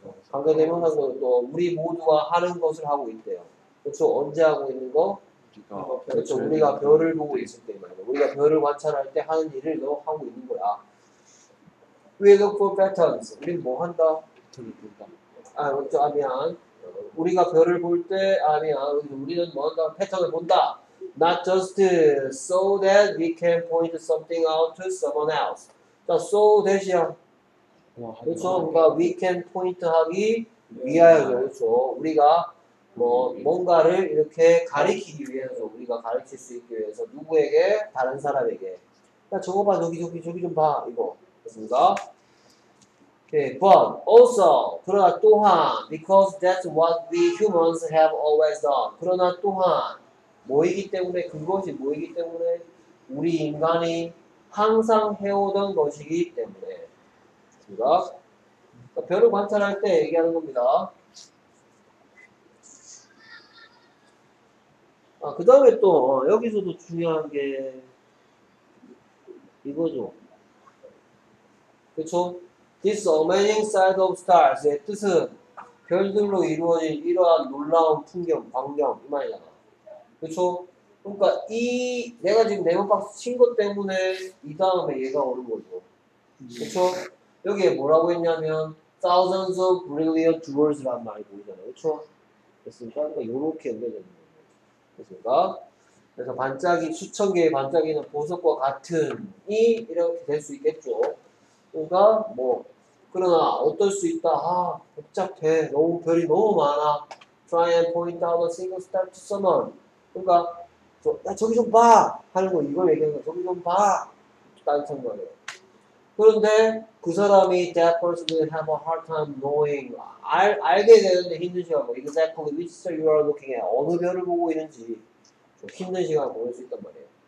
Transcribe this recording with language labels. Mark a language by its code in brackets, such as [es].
[ko] 관계대명사 또 우리 모두가 하는 것을 하고 있대요. 그렇죠? 언제 하고 있는 거? 비가 그렇죠. 우리가 별을 보고 때. 있을 때 말이야. 우리가 별을 관찰할 때 하는 일을 너 하고 있는 거야. [en] We look for patterns. [ko] 우리는 뭐 한다? 별을 본다. 아, 먼저 아미안. 우리가 별을 볼 때 아미안. 우리는 뭐 한다? 패턴을 본다. [en] Not just so that we can point something out to someone else. [ko] 자, so that이야. 그렇죠. 그러니까 [en] we can point [ko] 하기 위하여죠. 그렇죠. 우리가 뭐 뭔가를 이렇게 가리키기 위해서 우리가 가르칠 수 있기 위해서 누구에게? 다른 사람에게. 야, 저거 봐. 저기 좀 봐. 이거. 됐습니다. [en] Okay, but also, [ko] 그러나 또한, [en] because that's what we humans have always done. [ko] 그러나 또한, 뭐이기 때문에, 그것이 뭐이기 때문에, 우리 인간이 항상 해오던 것이기 때문에. 됐습니다. 그러니까 별을 관찰할 때 얘기하는 겁니다. 아, 그 다음에 또 여기서도 중요한 게 이거죠. 그쵸? [en] This amazing sight of stars [ko] 의 뜻은 별들로 이루어진 이러한 놀라운 풍경, 광경 이 말이잖아. 그쵸? 그러니까 이 내가 지금 네모박스 친 것 때문에 이 다음에 얘가 오는 거죠. 그쵸? 여기에 뭐라고 했냐면 [en] thousands of brilliant jewels [ko] 란 말이 보이잖아요. 그쵸? 됐습니까? 그러니까 요렇게 연결되는 거예요. 됐습니까? 그래서 반짝이, 수천 개의 반짝이는 보석과 같은 이 이렇게 될 수 있겠죠. 그러니까 뭐 그러나 어떨 수 있다. 아 복잡해. 너무 별이 너무 많아. [en] Try and point out a single star to someone. [ko] 그러니까 저, 야 저기 좀 봐 하는 거 이걸 얘기하는 거 저기 좀 봐 딴 거예요. 그런데 그 사람이 [en] that person will have a hard time knowing [ko] 알게 되는데 힘든 시간 뭐 [en] exactly which star you are looking at [ko] 어느 별을 보고 있는지 좀 힘든 시간 보낼 수 있단 말이에요.